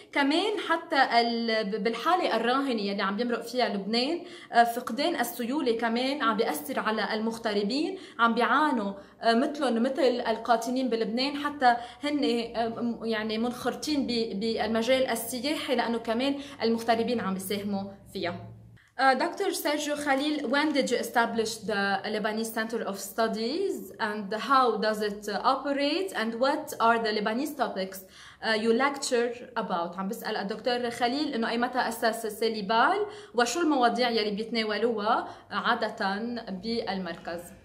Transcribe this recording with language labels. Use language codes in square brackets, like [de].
[ar] كمان حتى بالحالة الراهنة اللي عم بيمرق فيها لبنان فقدان السيولة كمان عم بيأثر على المغتربين عم بيعانوا مثلهم مثل القاطنين بلبنان حتى هن يعني منخرطين بالمجال السياحي لأنه كمان المغتربين عم بيساهموا فيها. [en] Dr. Sergio Khalil, when did you establish the Lebanese Center of Studies and how does it operate and what are the Lebanese topics you lecture about? [ar] عم بسأل الدكتور خليل إنه أي متى أسس سيليبال وشو المواضيع يلي بيتناولوها عادة بالمركز.